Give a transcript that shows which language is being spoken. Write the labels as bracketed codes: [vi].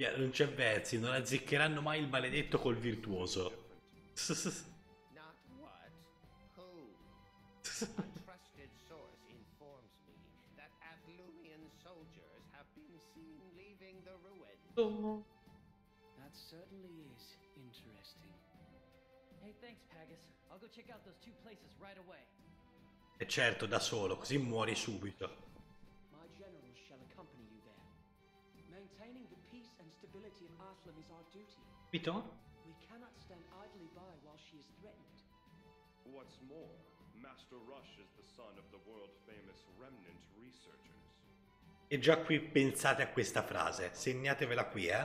[it] Yeah, non c'è pezzi, non azzeccheranno mai il maledetto col virtuoso. [en] Not what? Who? A trusted source informs me that Athlumian soldiers have been seen leaving the ruins. That certainly is interesting. Hey, thanks, Pagus. I'll go check out those two places right away. [it] E certo, da solo, così muori subito. [en] My generals shall accompany you there. Maintaining the peace and stability in Arslan is our duty. Piton? We cannot stand idly by while she is threatened. What's more, Master Rush is the son of the world famous Remnant researchers. [it] E già qui pensate a questa frase, segnatevela qui, eh.